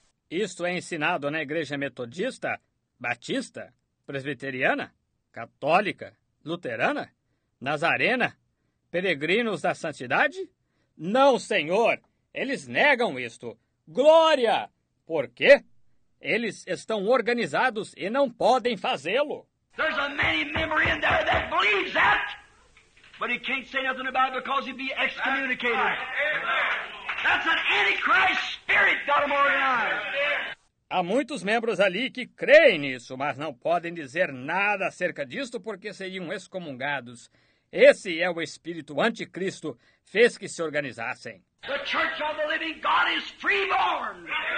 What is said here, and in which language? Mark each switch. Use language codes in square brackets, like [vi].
[pt] Isto é ensinado na igreja metodista, batista, presbiteriana, católica, luterana, nazarena? Peregrinos da santidade? Não, Senhor! Eles negam isto. Glória! Por quê? Eles estão organizados e não podem fazê-lo. [en] There's a many member in there that believes that, but he can't say nothing about it because he'd be excommunicated. That's an antichrist spirit got him organized. [pt] Há muitos membros ali que creem nisso, mas não podem dizer nada acerca disto porque seriam excomungados. Esse é o espírito anticristo fez que se organizassem. [en] The Church of the Living God is freeborn.